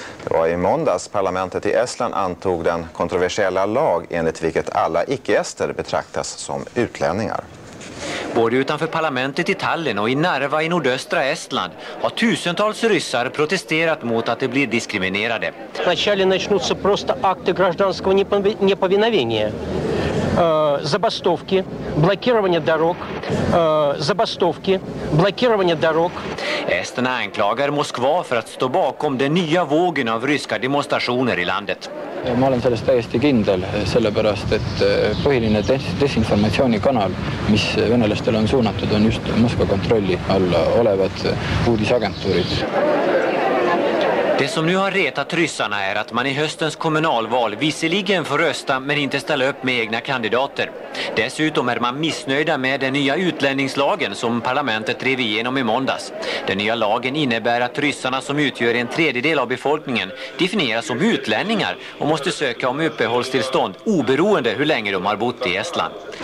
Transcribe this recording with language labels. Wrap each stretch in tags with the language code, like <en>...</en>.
<sv>Det var i måndags parlamentet i Estland antog den kontroversiella lag enligt vilket alla icke-ester betraktas som utlänningar. Både utanför parlamentet i Tallinn och i Narva i nordöstra Estland har tusentals ryssar protesterat mot att de blir diskriminerade.</sv> <ru>Начали начнутся просто акты гражданского неповиновения. Забастовки, блокирование дорог, забастовки, блокирование дорог.</ru> <sv>Esterna anklagar Moskva för att stå bakom den nya vågen av ryska demonstrationer i landet.</sv> <et>Ma olen sellest täiesti kindel, sellepärast, et põhiline desinformatsioonikanal, mis venelastele on suunatud, on just Moskva kontrolli all olevad uudisagentuurid.</et> <sv>Det som nu har retat ryssarna är att man i höstens kommunalval visserligen får rösta men inte ställa upp med egna kandidater. Dessutom är man missnöjda med den nya utlänningslagen som parlamentet drev igenom i måndags. Den nya lagen innebär att ryssarna som utgör en tredjedel av befolkningen definieras som utlänningar och måste söka om uppehållstillstånd oberoende hur länge de har bott i Estland.</sv>